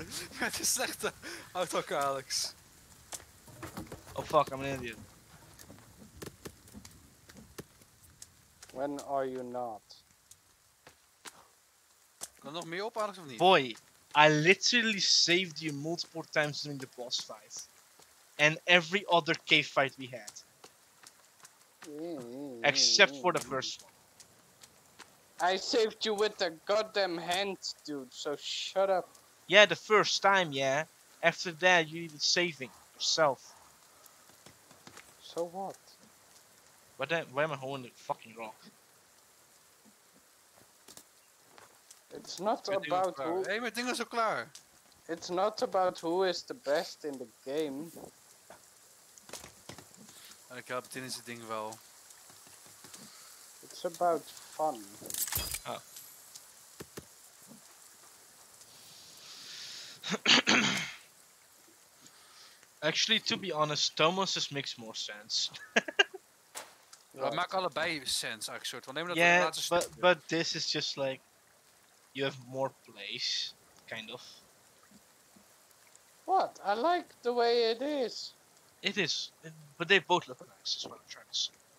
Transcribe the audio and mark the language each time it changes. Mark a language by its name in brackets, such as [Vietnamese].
[Dutch] Het is slechte auto-kar, Alex. [English] Oh fuck, I'm an idiot. When are you not? [Dutch] Kan er nog meer op, Alex, of niet? [English] Boy, I literally saved you multiple times during the boss fight. And every other cave fight we had. Except for the first one. I saved you with a goddamn hand, dude, so shut up. Yeah, the first time, yeah. After that, you needed saving yourself. So what? But then, why am I holding the fucking rock? It's not about who... Hey, my thing is so [Dutch] klaar. [English] It's not about who is the best in the game. [Dutch] Ik help het in het ding wel. [English] It's about fun. Oh. Actually, to be honest, Thomas's makes more sense. [Dutch] Dat maakt allebei sense, eigenlijk soort van. Neem dat [English] yeah, but this is just like, you have more place, kind of. What? I like the way it is. It is, but they both look nice, is what I'm trying to say.